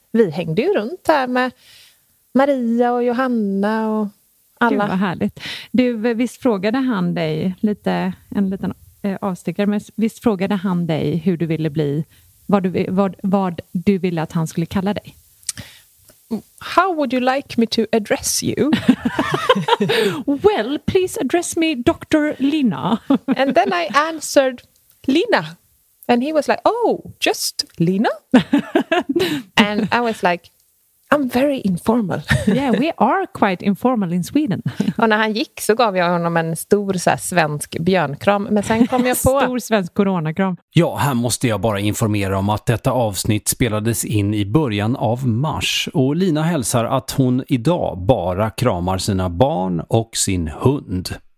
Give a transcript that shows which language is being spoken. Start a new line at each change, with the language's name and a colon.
Swedish: Vi hängde ju runt här med Maria och Johanna och alla. Gud, vad härligt. Du, visst frågade han dig lite, en liten avstickare, men visst frågade han dig hur du ville bli, vad du ville att han skulle kalla dig?
English: How would you like me to address you? Well, please address me Dr. Lina. And then I answered Lina. And he was like, oh, just Lina? And I was like, I'm very informal. Yeah, we are quite informal in Sweden.
Swedish: Och när han gick så gav jag honom en stor så här, svensk björnkram. Men sen kom jag på... Stor svensk coronakram. Ja, här måste jag bara informera om att detta avsnitt spelades in i början av mars. Och Lina hälsar att hon idag bara kramar sina barn och sin hund.